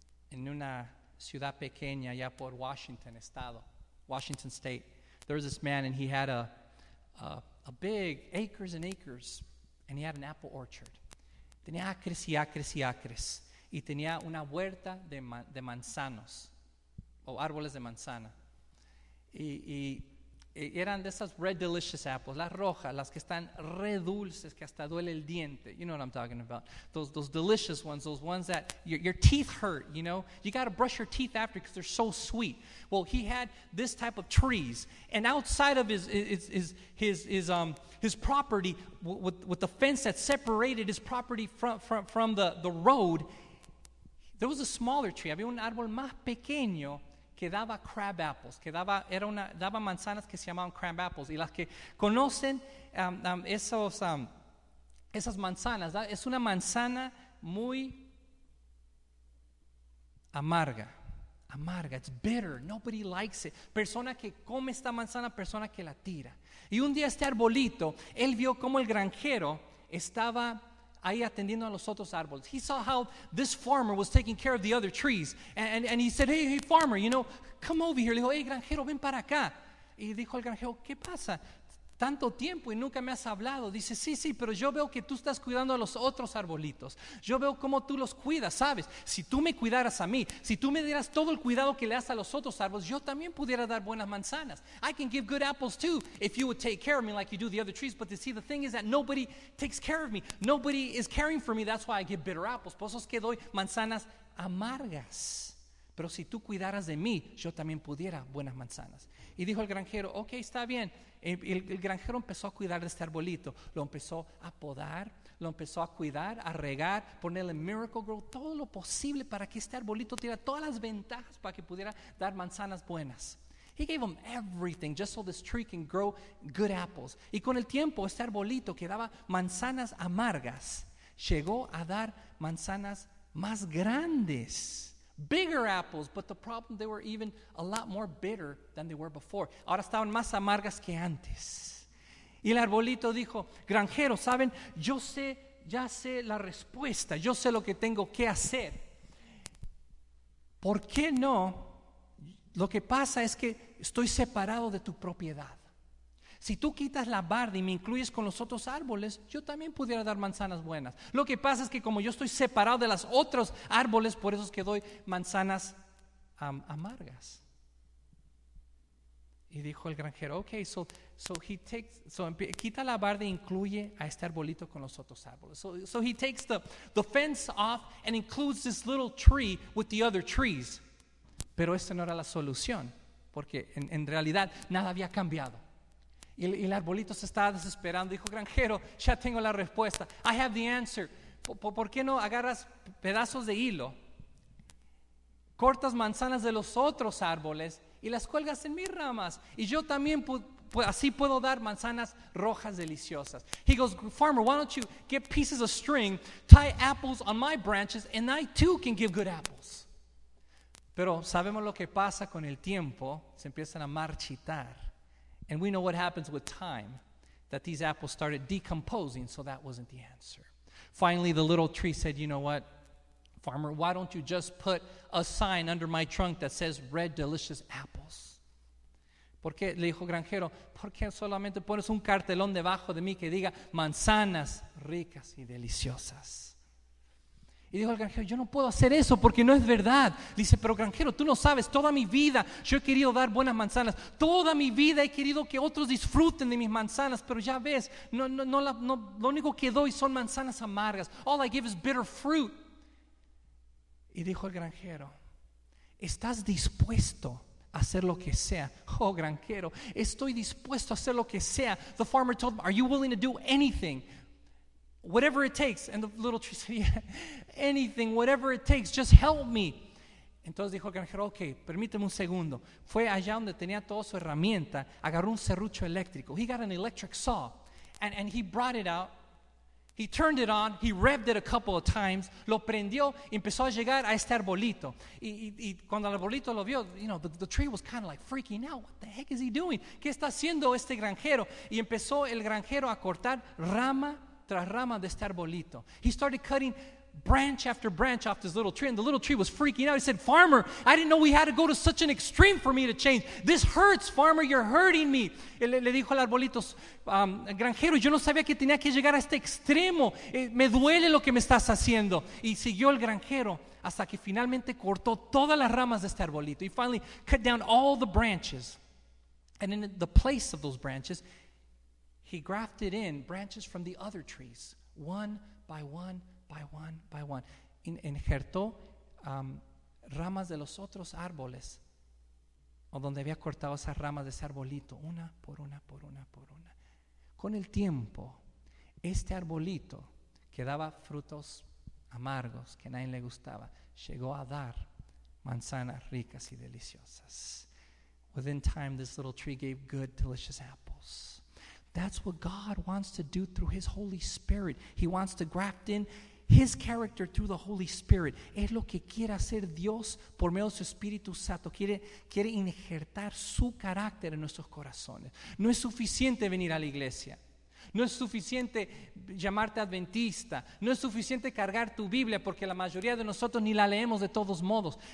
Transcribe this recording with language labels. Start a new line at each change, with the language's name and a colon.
Spanish: En una ciudad pequeña allá por Washington Estado,
English: Washington State, there was this man and he had a big acres and acres, and he had an apple orchard.
Spanish: Tenía acres y acres y acres, y tenía una huerta de manzanos o árboles de manzana. Y eran de esas
English: red delicious apples,
Spanish: las rojas, las que están re dulces que hasta duele el diente.
English: You know what I'm talking about? Those delicious ones, those ones that your teeth hurt. You know, you got to brush your teeth after because they're so sweet. Well, he had this type of trees, and outside of his property, with the fence that separated his property from the road, there was a smaller tree.
Spanish: Había un árbol más pequeño que daba crab apples, que daba, era una, daba manzanas que se llamaban crab apples. Y las que conocen esas manzanas, ¿da? Es una manzana muy amarga. Amarga,
English: it's bitter, nobody likes it.
Spanish: Persona que come esta manzana, persona que la tira. Y un día este arbolito, él vio como el granjero estaba ahí atendiendo a los otros árboles.
English: He saw how this farmer was taking care of the other trees. And he said, hey farmer, you know, come over here.
Spanish: Le dijo, hey granjero, ven para acá. Y dijo el granjero, ¿qué pasa? Tanto tiempo y nunca me has hablado. Dice, sí, pero yo veo que tú estás cuidando a los otros arbolitos. Yo veo cómo tú los cuidas, ¿sabes? Si tú me cuidaras a mí, si tú me dieras todo el cuidado que le das a los otros árboles, yo también pudiera dar buenas manzanas.
English: I can give good apples too if you would take care of me like you do the other trees. But see, the thing is that nobody takes care of me. Nobody is caring for me. That's why I get bitter apples.
Spanish: Por eso es que doy manzanas amargas. Pero si tú cuidaras de mí, yo también pudiera buenas manzanas. Y dijo el granjero, ok, está bien. El granjero empezó a cuidar de este arbolito. Lo empezó a podar, lo empezó a cuidar, a regar, ponerle Miracle Grow, todo lo posible para que este arbolito tuviera todas las ventajas para que pudiera dar manzanas buenas. He gave him everything just so this tree can grow good apples. Y con el tiempo, este arbolito que daba manzanas amargas, llegó a dar manzanas más grandes. Bigger apples, but the problem, they were even a lot more bitter than they were before. Ahora estaban más amargas que antes. Y el arbolito dijo, granjero, ¿saben? Yo sé, ya sé la respuesta. Yo sé lo que tengo que hacer. ¿Por qué no? Lo que pasa es que estoy separado de tu propiedad. Si tú quitas la barda y me incluyes con los otros árboles, yo también pudiera dar manzanas buenas. Lo que pasa es que como yo estoy separado de los otros árboles, por eso es que doy manzanas amargas. Y dijo el granjero, okay, so quita la barda e incluye a este arbolito con los otros árboles.
English: So he takes the fence off and includes this little tree with the other trees.
Spanish: Pero esta no era la solución, porque en realidad nada había cambiado. Y el arbolito se estaba desesperando. Dijo, granjero, ya tengo la respuesta.
English: I have the answer.
Spanish: ¿Por qué no agarras pedazos de hilo, cortas manzanas de los otros árboles y las cuelgas en mis ramas? Y yo también así puedo dar manzanas rojas deliciosas.
English: He goes, farmer, why don't you get pieces of string, tie apples on my branches, and I too can give good apples.
Spanish: Pero sabemos lo que pasa con el tiempo. Se empiezan a marchitar.
English: And we know what happens with time, that these apples started decomposing, so that wasn't the answer. Finally, the little tree said, you know what, farmer, why don't you just put a sign under my trunk that says red delicious apples?
Spanish: ¿Por qué? Le dijo granjero, ¿por qué solamente pones un cartelón debajo de mí que diga manzanas ricas y deliciosas? Y dijo el granjero, yo no puedo hacer eso porque no es verdad. Dice, pero granjero, tú no sabes, toda mi vida yo he querido dar buenas manzanas. Toda mi vida he querido que otros disfruten de mis manzanas, pero ya ves, no, lo único que doy son manzanas amargas.
English: All I give is bitter fruit.
Spanish: Y dijo el granjero, ¿estás dispuesto a hacer lo que sea? Oh, granjero, estoy dispuesto a hacer lo que sea.
English: The farmer told him, are you willing to do anything? Whatever it takes. And the little tree said, yeah, anything, whatever it takes, just help me.
Spanish: Entonces dijo el granjero, okay, permíteme un segundo. Fue allá donde tenía toda su herramienta, agarró un serrucho eléctrico.
English: He got an electric saw, and he brought it out. He turned it on, he revved it a couple of times,
Spanish: lo prendió, empezó a llegar a este arbolito. Y cuando el arbolito lo vio,
English: you know, the tree was kind of like freaking out. What the heck is he doing?
Spanish: ¿Qué está haciendo este granjero? Y empezó el granjero a cortar rama tras rama de este arbolito.
English: He started cutting branch after branch off this little tree, and the little tree was freaking out. He said, farmer, I didn't know we had to go to such an extreme for me to change. This hurts, farmer, you're hurting me.
Spanish: Le dijo al arbolito, granjero, yo no sabía que tenía que llegar a este extremo. Me duele lo que me estás haciendo. Y siguió el granjero hasta que finalmente cortó todas las ramas de este arbolito.
English: He finally cut down all the branches, and in the place of those branches, he grafted in branches from the other trees, one by one by one by one.
Spanish: Injertó ramas de los otros árboles, o donde había cortado esas ramas de ese arbolito, una por una por una por una. Con el tiempo, este arbolito que daba frutos amargos que a nadie le gustaba, llegó a dar manzanas ricas y deliciosas.
English: Within time, this little tree gave good, delicious apples. That's what God wants to do through His Holy Spirit. He wants to graft in His character through the Holy Spirit.
Spanish: Es lo que quiere hacer Dios por medio de su Espíritu Santo. Quiere injertar su carácter en nuestros corazones. No es suficiente venir a la iglesia. No es suficiente llamarte adventista. No es suficiente cargar tu Biblia, porque la mayoría de nosotros ni la leemos de todos modos.